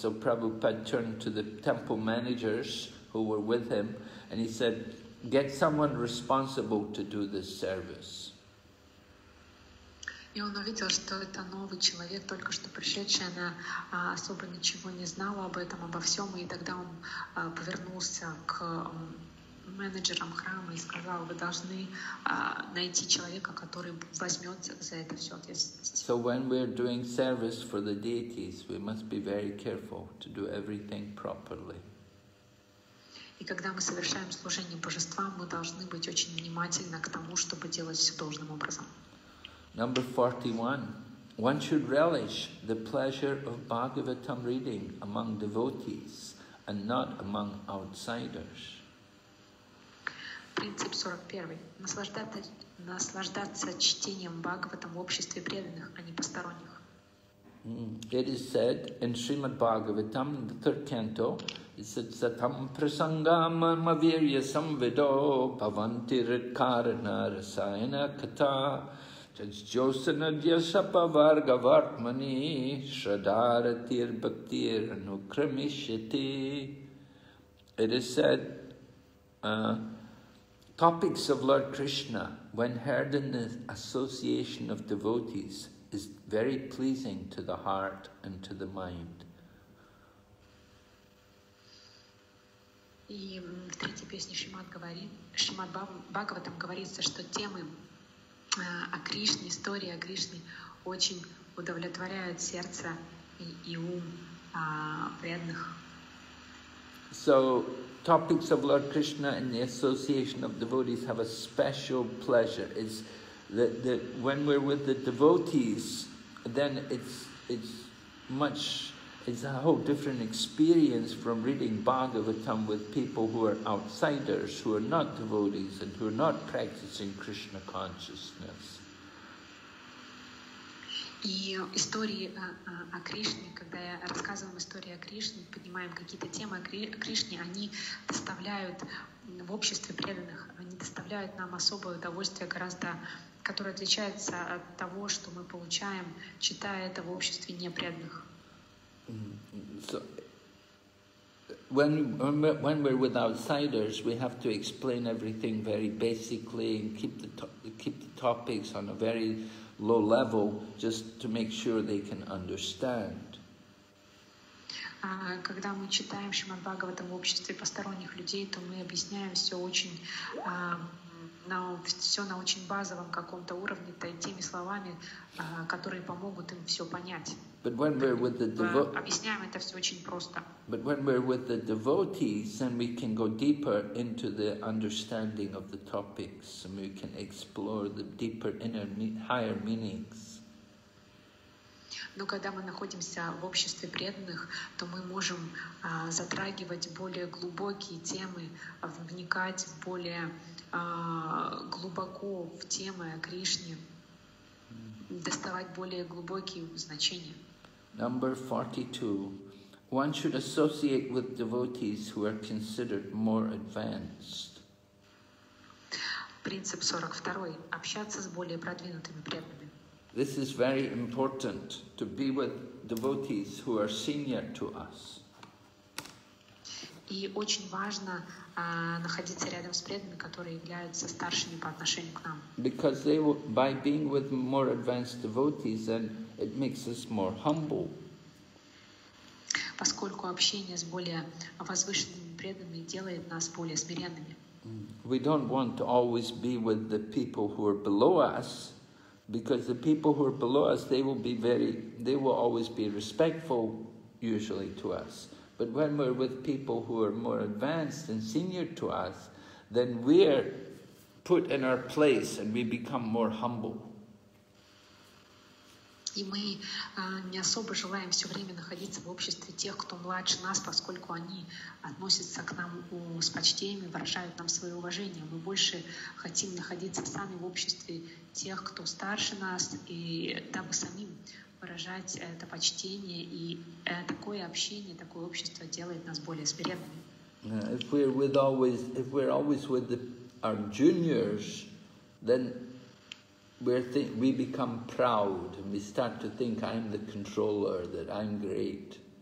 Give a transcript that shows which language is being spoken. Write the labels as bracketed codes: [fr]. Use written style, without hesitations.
[en] So Prabhupada turned to the temple managers who were with him and he said, get someone responsible to do this service. [ru] И он увидел, что это новый человек, только что пришедший, она особо ничего не знала об этом, обо всем, и тогда он повернулся к менеджерам храма и сказал, вы должны найти человека, который возьмется за это все ответственность. [en] So when we are doing service for the deities, we must be very careful to do everything properly. [ru] И когда мы совершаем служение божествам, мы должны быть очень внимательны к тому, чтобы делать все должным образом. [en] Number 41. One should relish the pleasure of Bhagavatam reading among devotees and not among outsiders. [ru] Принцип 41. Наслаждаться чтением Бхагаватам в обществе преданных, а не посторонних. [en] It is said in Srimad Bhagavatam, the third canto, [sa] Satam prasangam mavirya samvido pavantir karana rasayana kata jyosana jyasapa varga vartmani shradaratir bhaktir anukramishyati. [en] It is said, topics of Lord Krishna, when heard in the association of devotees, is very pleasing to the heart and to the mind. [ru] И в третьей песне Шримад-Бхагаватам говорится, что темы о Кришне, истории о Кришне очень удовлетворяют сердце и ум преданных. [en] So, topics of Lord Krishna and the association of devotees have a special pleasure. It's that when we're with the devotees, then it's a whole different experience from reading Bhagavatam with people who are outsiders, who are not devotees and who are not practicing Krishna consciousness. [ru] И истории о Кришне, когда я рассказываю истории о Кришне, поднимаем какие-то темы о Кришне, они доставляют в обществе преданных, они доставляют нам особое удовольствие, гораздо, которое отличается от того, что мы получаем, читая это в обществе непреданных. [en] So, when we're with outsiders, we have to explain everything very basically and keep the topics on a very low level, just to make sure they can understand. [ru] Когда мы читаем Шримад-Бхагаватам в обществе посторонних людей, то мы объясняем все на очень базовом каком-то уровне, теми словами, которые помогут им все понять. [en] But when we're with the [ru] объясняем это все очень просто. [en] But when we're with the devotees, then we can go deeper into the understanding of the topics, and we can explore the deeper inner higher meanings. [ru] Но когда мы находимся в обществе преданных, то мы можем затрагивать более глубокие темы, вникать более глубоко в темы о Кришне, доставать более глубокие значения. [en] Number 42. One should associate with devotees who are considered more advanced. [ru] Принцип 42. Общаться с более продвинутыми преданными. [en] This is very important, to be with devotees who are senior to us. [ru] И очень важно находиться рядом с преданными, которые являются старшими по отношению к нам. [en] Because they will, by being with more advanced devotees, then it makes us more humble. [ru] Поскольку общение с более возвышенными преданными делает нас более смиренными. [en] We don't want to always be with the people who are below us, because the people who are below us, they will always be respectful, usually, to us. But when we're with people who are more advanced and senior to us, then we're put in our place and we become more humble. [ru] И мы не особо желаем все время находиться в обществе тех, кто младше нас, поскольку они относятся к нам с почтением, выражают нам свое уважение. Мы больше хотим находиться сами в обществе тех, кто старше нас, и дабы самим выражать это почтение, и такое общение, такое общество делает нас более смиренными. [en] If we're always with our juniors, then we become proud, and we start to think I'm the controller, that I'm great.